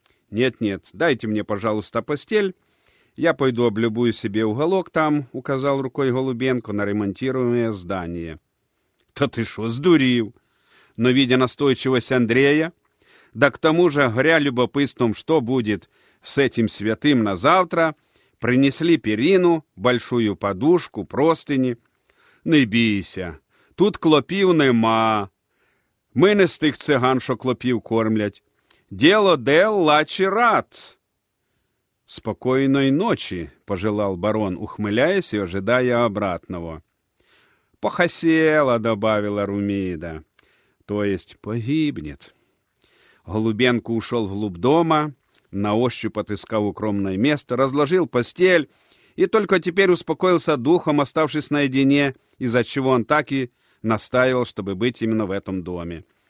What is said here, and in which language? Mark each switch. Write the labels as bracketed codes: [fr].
[ru] «Нет-нет, дайте мне, пожалуйста, постель. Я пойду облюбую себе уголок там», — указал рукой Голубенко на ремонтируемое здание. «Да ты шо, сдурил!» Но, видя настойчивость Андрея, да к тому же, горя любопытством, что будет с этим святым на завтра, принесли перину, большую подушку, простыни. [uk] «Не бійся, тут клопів нема. Ми не з тих циган, що клопів кормлять. [rom] Дело дел лачи рад!» [ru] «Спокойной ночи!» — пожелал барон, ухмыляясь и ожидая обратного. [rom] «Похосела!» [ru] — добавила Румида. «То есть погибнет!» Голубенко ушел вглубь дома, на ощупь отыскал укромное место, разложил постель и только теперь успокоился духом, оставшись наедине, из-за чего он так и настаивал, чтобы быть именно в этом доме.